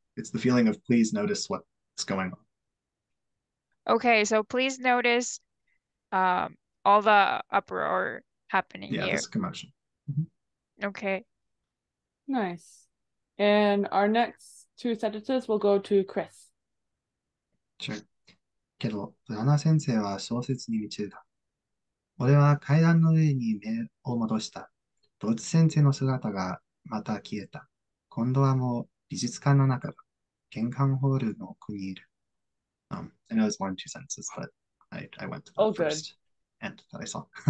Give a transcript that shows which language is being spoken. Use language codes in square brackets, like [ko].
[en] It's the feeling of please notice what's going on. Okay, so please notice all the uproar happening here. Yeah, this commotion. Mm-hmm. Okay. Nice. And our next two sentences will go to Chris. Sure. [ja] けど、ブラナ先生は小説に夢中だ。俺は階段の上に目を戻した。ドッジ先生の姿がまた消えた。今度はもう美術館の中だ。玄関ホールの奥にいる。 [en] I know it's more than two sentences, but I went to the first end that I saw.